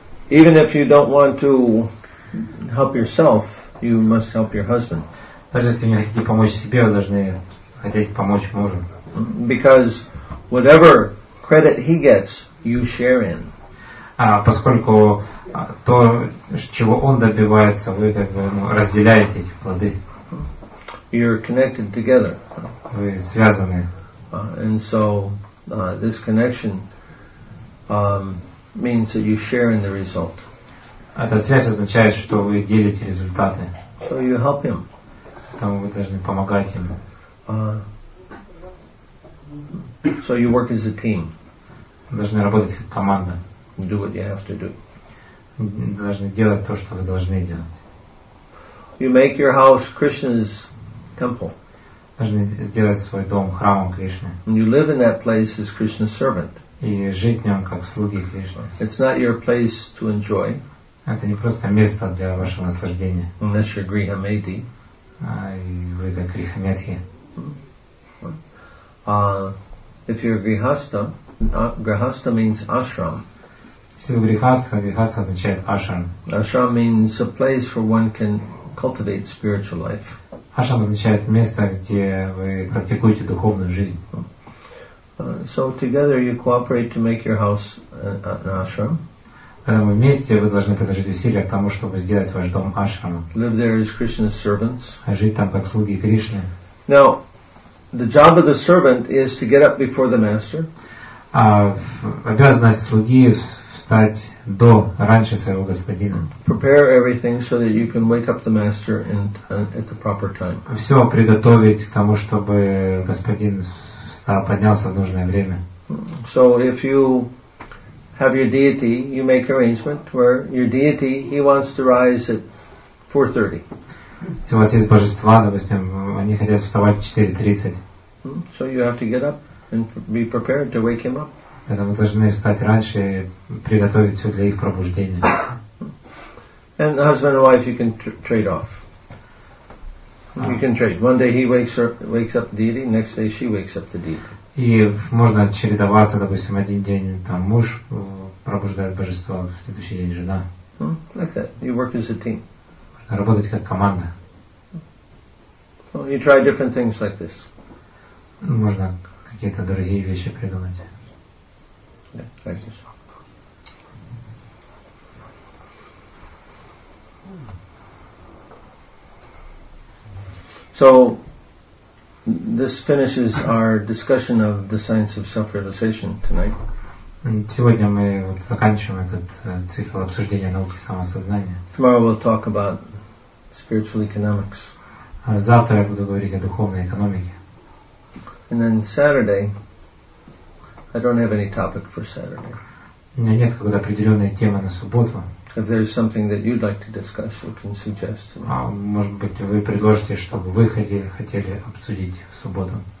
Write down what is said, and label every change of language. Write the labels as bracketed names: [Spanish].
[English] Even if you don't want to help yourself, you must help your husband. [Russian] Даже если не хотите помочь себе, вы должны хотеть помочь мужу. [English] Because whatever credit he gets, you share in. [Russian] Поскольку то, чего он добивается, вы как бы разделяете эти плоды. [English] You're connected together. [Russian] Вы связаны. [English] And so this connection means that you share in the result. [Russian] Эта связь означает, что вы делите результаты. [English] So you help him. [Russian] Поэтому вы должны помогать ему. [English] So you work as a team. [Russian] Вы должны работать как команда. [English] Do what you have to do. [Russian] Должны делать то, что вы должны делать. [English] You make your house Krishna's temple. [Russian] Должны сделать свой дом храмом Кришны. [English] And you live in that place as Krishna's servant. [Russian] И жить в нем как слуги Кришны. [English] It's not your place to enjoy. [Russian] Это не просто место для вашего наслаждения. [English] Unless you're Grihamedi. [Russian] Вы как Грихаметхи. [English] If you're Grihastha, Grihastha means ashram. [Russian] Если вы грехастха, грехастха означает ашрам. [English] Ашрам means a place where one can cultivate spiritual life. [Russian] Ашрам означает место, где вы практикуете духовную жизнь. [English] So together you cooperate to make your house an ashram. [Russian] Когда вы вместе, вы должны приложить усилия к тому, чтобы сделать ваш дом ашрамом. [English] Live there as Krishna's servants. [Russian] Жить там как слуги Кришны. [English] Now, the job of the servant is to get up before the master. [Russian] Обязанность слуги до раньше своего господина. [English] Prepare everything so that you can wake up the master at the proper time. [Russian] Все приготовить к тому, чтобы господин поднялся в нужное время. [English] So if you have your deity, you make arrangement where your deity he wants to rise at 4:30. [Russian] Если у вас есть божества, допустим, они хотят вставать в 4:30. [English] So you have to get up and be prepared to wake him up. [Russian] Это мы должны встать раньше и приготовить все для их пробуждения. [English] And husband and wife, you can trade off. You can trade. One day he wakes up the deity, next day she wakes up the deity. [Russian] И можно чередоваться, допустим, один день там муж пробуждает божество, в следующий день жена. [English] Like that. You work as a team. [Russian] Можно работать как команда. [English] Well, you try different things like this. [Russian] Можно какие-то другие вещи придумать. [English] So this finishes our discussion of the science of self-realization tonight. [Russian] Сегодня мы заканчиваем этот цикл обсуждения науки самосознания. [English] Tomorrow we'll talk about spiritual economics. [Russian] Завтра я буду говорить о духовной экономике. [English] And then Saturday. I don't have any topic for Saturday. [Russian] У меня нет какой-то определенной темы на субботу. [English] If there's something that you'd like to discuss, you can suggest. [Russian] Может быть, вы предложите, чтобы вы хотели обсудить в субботу.